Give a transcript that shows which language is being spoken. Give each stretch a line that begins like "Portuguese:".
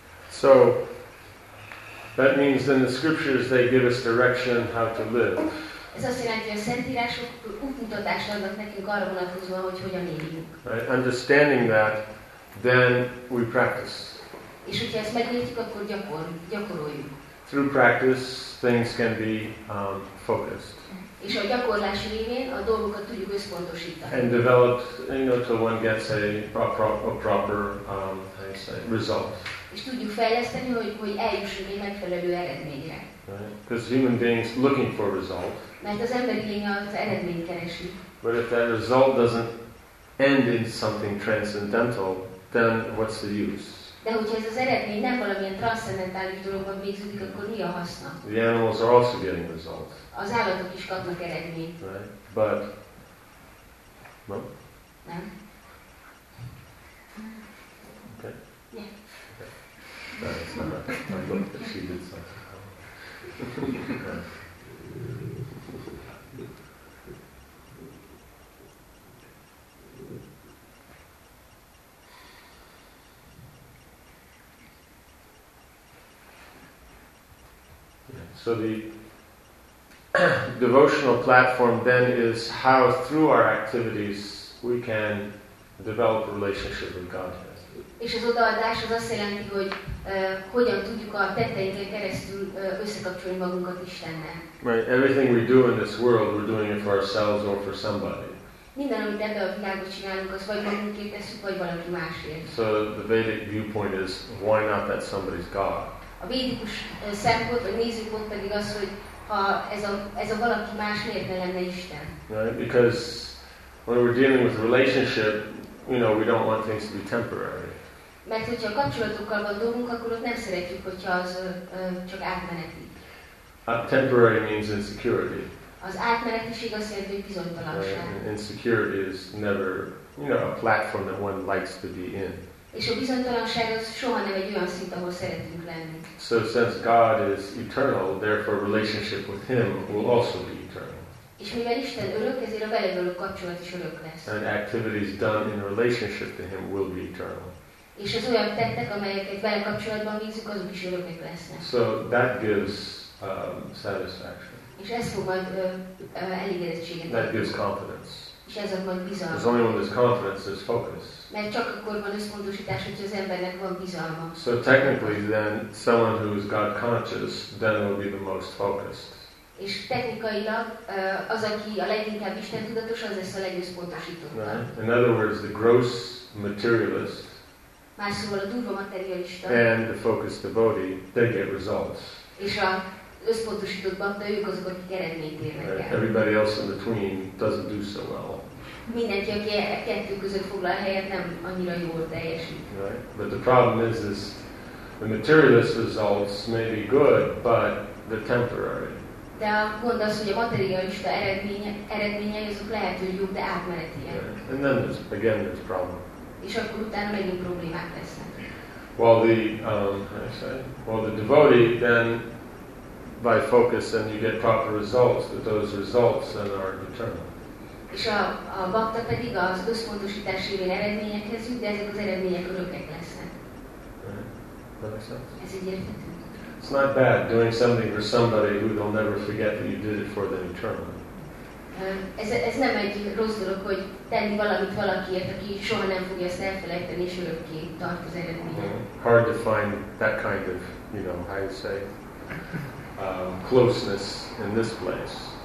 English: So that means then the scriptures, they give us direction how to live.
Hungarian: Ez azt jelenti, hogy a szentírások útmutatást adnak nekünk arra vonatkozóan, hogy hogyan éljünk.
English: Right? Understanding that, then we practice.
Hungarian: És hogyha ezt megértjük, akkor gyakoroljuk.
English: Through practice, things can be focused.
Hungarian: És a gyakorlás révén a dolgokat tudjuk összpontosítani.
English: And develop, you know, till one gets a proper result.
Hungarian: És tudjuk fejleszteni, hogy eljussunk egy megfelelő eredményre.
English: Because right? Human beings looking for a result.
Hungarian: Mert az emberi lény az eredményt keresi.
English: But if that result doesn't end in something transcendental, then what's the use?
Hungarian: De hogyha ez az eredmény nem valamilyen transzcendentális dologban végződik, akkor mi a haszna?
English: The animals are also getting results.
Hungarian: Az állatok is kapnak eredményt.
English: Right? But... No?
Hungarian: Nem.
English: Okay? Yeah. Okay. That's not right. I'm going to achieve it. So the devotional platform then is how through our activities we can develop a relationship with Godhead.
Hungarian: És az odaadás az azt jelenti, hogy hogyan tudjuk a tetteinken keresztül összekapcsolni magunkat Istennel.
English: Right, everything we do in this world, we're doing it for ourselves or for somebody.
Hungarian: Minden, amit ebben a világban csinálunk, az vagy magunkért tesszük, vagy valaki másért.
English: So the Vedic viewpoint is, why not that somebody's God?
Hungarian: A védikus szempont, vagy nézőpont pedig az, hogy ha ez a valaki más, miért ne lenne Isten?
English: Right, because when we're dealing with relationship, you know, we don't want things to be temporary.
Hungarian: Mert hogyha kapcsolatokkal van dolgunk, akkor ott nem szeretjük, hogyha az csak átmeneti.
English: Temporary means insecurity.
Hungarian: Az átmenetiség azt jelenti, hogy bizonytalanság.
English: Right. Insecurity is never, you know, a platform that one likes to be in.
Hungarian: És a bizonytalanság az soha nem egy olyan szint, ahol szeretünk lenni.
English: So since God is eternal, therefore relationship with Him will also be eternal.
Hungarian: És mivel Isten örök, ezért a vele való kapcsolat is örök lesz.
English: And activities done in relationship to Him will be eternal.
Hungarian: És az olyan tettek, amelyeket vele kapcsolatban végzünk, azok is örökek lesznek.
English: So that gives satisfaction.
Hungarian: És ez fog majd elégedettséget.
English: That gives confidence.
Hungarian: És ez ad majd bizalmat.
English: Because only when there's confidence, there's focus.
Hungarian: Mert csak akkor van összpontosítás, hogy az embernek van bizalma.
English: So technically then, someone who is God conscious, then will be the most focused.
Hungarian: És technikailag az, aki a leginkább Isten tudatos, az lesz a legösszpontosítottabb.
English: Right. In other words, the gross materialist.
Hungarian: Más szóval a durva materialista.
English: And the focused devotee, they get results.
Hungarian: És a összpontosított bhakta, ők azok, akik eredményt érnek el.
English: Right. Everybody else in between doesn't do so well.
Hungarian: Mindenki, aki a kettő között foglal helyet, nem annyira jól teljesít.
English: Right. But the problem is the materialist results may be good, but they're temporary.
Hungarian: De a gond az, hogy a materialista eredményei azok lehet, hogy jobb, de átmenetiek.
English: Right. And then there's problem.
Hungarian: És akkor utána megint problémák lesznek.
English: Well, the devotee, then by focus, then you get proper results, but those results then are eternal.
Hungarian: És a bhakta pedig az összpontosítás révén eredményekhez jut, de ezek az eredmények örökek lesznek.
English: Right.
Hungarian: Ez így érthető.
English: It's not bad doing something for somebody who they'll never forget that you did it for them eternally.
Hungarian: Ez nem egy rossz dolog, hogy tenni valamit valakiért, aki soha nem fogja ezt elfelejteni, és örökké tart az eredménye.
English: Hard to find that kind of, you know, how you say, closeness in this place.